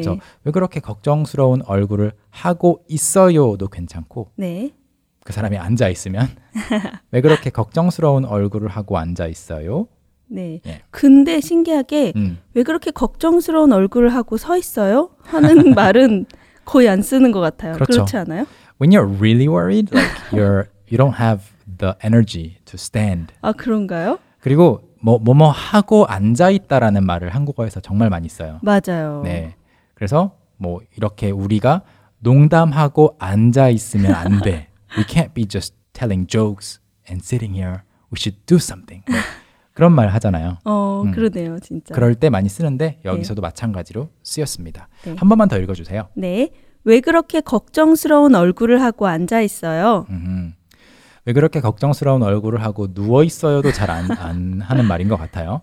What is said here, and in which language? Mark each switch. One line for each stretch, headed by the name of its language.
Korean: 그래서 왜 그렇게 걱정스러운 얼굴을 하고 있어요도 괜찮고 네. 그 사람이 앉아 있으면 왜 그렇게 걱정스러운 얼굴을 하고 앉아 있어요? 네. 네. 근데 신기하게 왜 그렇게 걱정스러운 얼굴을 하고 서 있어요? 하는 말은 거의 안 쓰는 것 같아요. 그렇죠. 그렇지 않아요?
English: When you're really worried, like you don't have the energy to stand.
Korean: 아, 그런가요? 그리고 뭐뭐뭐 하고 앉아 있다라는 말을 한국어에서 정말 많이 써요. 맞아요. 네. 그래서 뭐 이렇게 우리가 농담하고 앉아 있으면 안 돼.
English: We can't be just telling jokes and sitting here. We should do something.
Korean: 뭐 그런 말 하잖아요. 그러네요, 진짜. 그럴 때 많이 쓰는데 여기서도 네. 마찬가지로 쓰였습니다. 네. 한 번만 더 읽어 주세요. 네. 왜 그렇게 걱정스러운 얼굴을 하고 앉아 있어요? 왜 그렇게 걱정스러운 얼굴을 하고 누워 있어요도 잘 안 하는 말인 것 같아요.